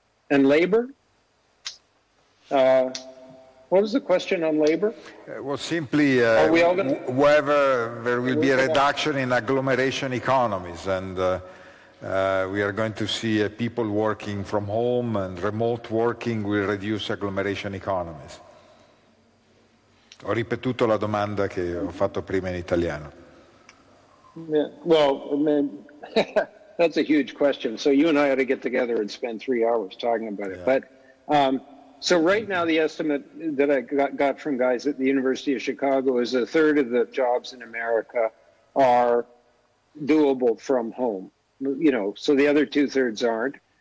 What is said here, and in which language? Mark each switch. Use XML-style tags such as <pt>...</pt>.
<en>And labor? What was the question on labor? Whether there will be a reduction in agglomeration economies, and we are going to see people working from home, and remote working will reduce agglomeration economies.</en> <it>Ho ripetuto la domanda che ho fatto prima in italiano.</it> <en>Yeah. Well, I mean, that's a huge question. So you and I ought to get together and spend 3 hours talking about it. Yeah. But. So right now, the estimate that I got from guys at the University of Chicago is a third of the jobs in America are doable from home, you know, so the other two thirds aren't.</en>